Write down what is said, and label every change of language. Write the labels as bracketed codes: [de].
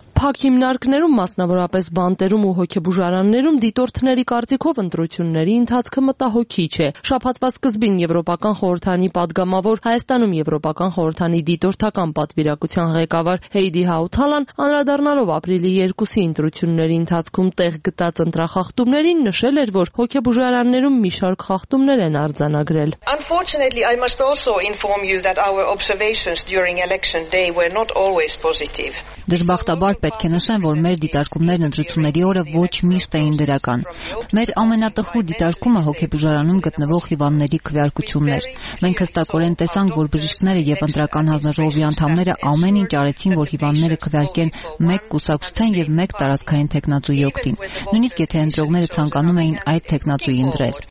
[hy] Փակ հիմնարկներում, մասնավորապես բանտերում ու հոգեբուժարաններում, դիտորդների կարծիքով ընտրությունների ընթացքը մտահոգիչ է։ Շաբաթվա սկզբին Եվրոպական խորհրդանի պատգամավոր, Հայաստանում Եվրոպական խորհրդանի դիտորդական պատվիրակության ղեկավար Հեյդի Հաութալան, անդրադառնալով ապրիլի 2-ի ընտրությունների ընթացքում տեղ գտած ընտրախախտումներին, նշել էր, որ հոգեբուժարաններում մի շարք խախտումներ են արձանագրել։ [en] Unfortunately, I must also inform you that our observations during election day were not always positive. [hy] Դժբախտաբար պետք է նշեմ, որ մեր դիտարկումներն ընտրությունների օրը ոչ միշտ էին դրական։ Մեր ամենատխուր դիտարկումը հոգեբուժարանում գտնվող հիվանդների քվեարկությունն էր։ Մենք հստակորեն տեսանք, որ բժիշկները եւ ընտրական հանձնաժողովի անդամները ամեն ինչ արեցին, որ հիվանդները քվեարկեն մեկ կուսակցության եւ մեկ տարածքային թեկնածուի օգտին, նույնիսկ եթե ընտրողները ցանկանում էին այդ թեկնածուի ընտրել։